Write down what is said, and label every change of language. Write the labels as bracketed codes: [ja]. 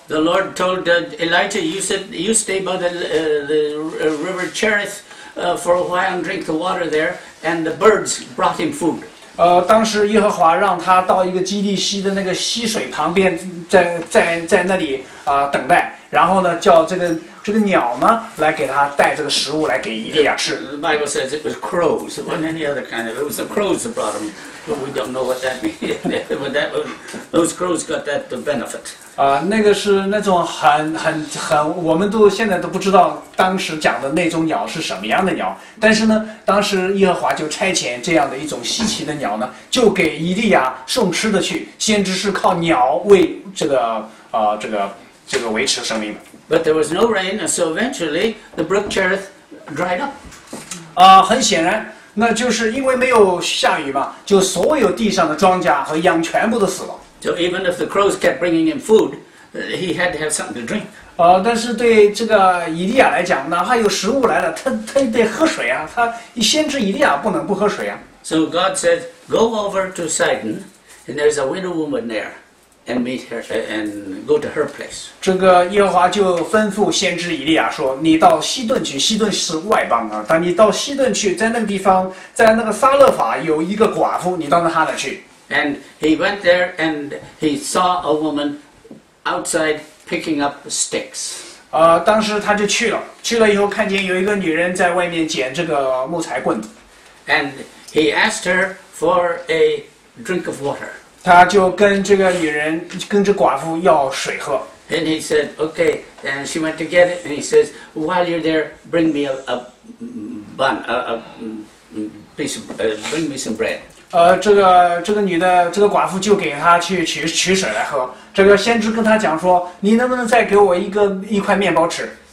[en] The Lord told Elijah, you stay by the river Cherith for a while and drink the water there, and the birds brought him food. [zh] 当时耶和华让他到一个基利西的那个溪水旁边在那里等待然后呢叫这个鸟呢来给他带这个食物来给以利亚吃 [en] the Bible says it was crows it wasn't any other kind of it was the crows that brought them but we don't know what that means but those crows got that the benefit [zh] 那个是那种很我们都现在都不知道当时讲的那种鸟是什么样的鸟但是呢当时耶和华就差遣这样的一种稀奇的鸟呢就给以利亚送吃的去先知是靠鸟为这个维持生命的 [en] But there was no rain, and so eventually the brook Cherith dried up. [zh] 很显然，那就是因为没有下雨嘛，就所有地上的庄稼和羊全部都死了。 [en] So even if the crows kept bringing him food, he had to have something to drink. [zh] 但是对这个以利亚来讲，哪怕有食物来了，他也得喝水啊。他先知以利亚不能不喝水啊。 [en] So God said, "Go over to Sidon, and there's a widow woman there." And meet her and go to her place. [zh] 这个耶和华就吩咐先知以利亚说：“你到西顿去，西顿是外邦啊。但你到西顿去，在那个地方，在那个撒勒法有一个寡妇，你到那里去。” [en] And he went there and he saw a woman outside picking up sticks. [zh] 当时他就去了，去了以后看见有一个女人在外面捡这个木材棍子。 [en] And he asked her for a drink of water. [zh] 他就跟这个女人，跟这寡妇要水喝。 [en] And he said, "Okay." And she went to get it. And he says, "While you're there, bring me bring me some bread." [zh] 这个女的，这个寡妇就给她去取水来喝。这个先知跟她讲说，你能不能再给我一块面包吃